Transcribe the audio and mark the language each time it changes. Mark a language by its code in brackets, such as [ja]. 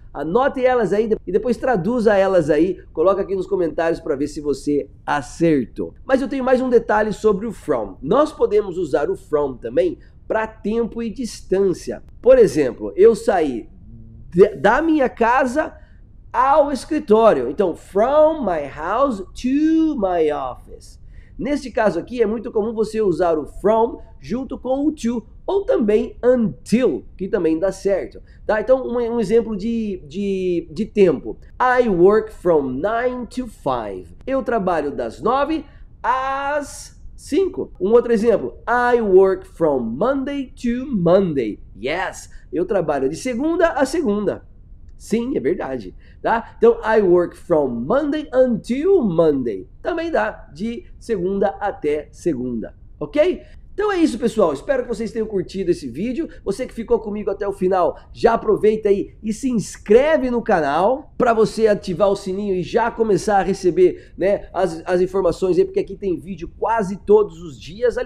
[pt] Anote elas aí e depois traduza elas aí. Coloca aqui nos comentários para ver se você acertou. Mas eu tenho mais um detalhe sobre o from. Nós podemos usar o from também para tempo e distância. Por exemplo, eu saí da minha casa ao escritório. [en] Então, from my house to my office. [pt] Nesse caso aqui, é muito comum você usar o from junto com o to. Ou também until, que também dá certo. Tá? Então, um exemplo de tempo. [en] I work from 9 to 5. [pt] Eu trabalho das 9 às 5. Um outro exemplo. [en] I work from Monday to Monday. [pt] Yes, eu trabalho de segunda a segunda. Sim, é verdade. Tá? [en] Então, I work from Monday until Monday. [pt] Também dá de segunda até segunda. Ok? Então é isso, pessoal. Espero que vocês tenham curtido esse vídeo. Você que ficou comigo até o final, já aproveita aí e se inscreve no canal para você ativar o sininho e já começar a receber, né, as informações aí, porque aqui tem vídeo quase todos os dias.